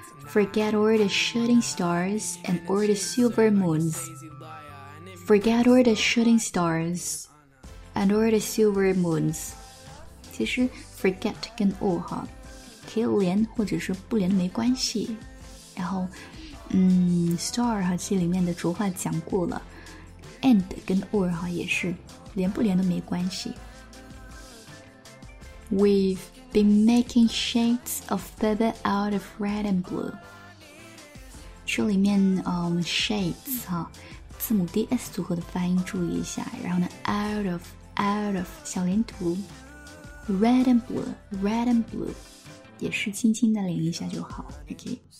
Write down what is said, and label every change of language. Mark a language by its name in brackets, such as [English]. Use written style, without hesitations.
[English] Forget all the shooting stars and all the silver moons. Forget all the shooting stars and all the silver moons. [Chinese] 其实 forget 跟 all 哈，可以连或者是不连没关系。然后，star 哈，这里面的浊化讲过了。 And 跟 all 哈也是连不连都没关系。 [English] We've been making shades of feather out of red and blue. [Chinese] 这里面shades 哈，字母 D S 组合的发音注意一下。然后呢 ， [English] out of [Chinese] 小连读 ， [English] red and blue [Chinese] 也是轻轻的连一下就好。OK。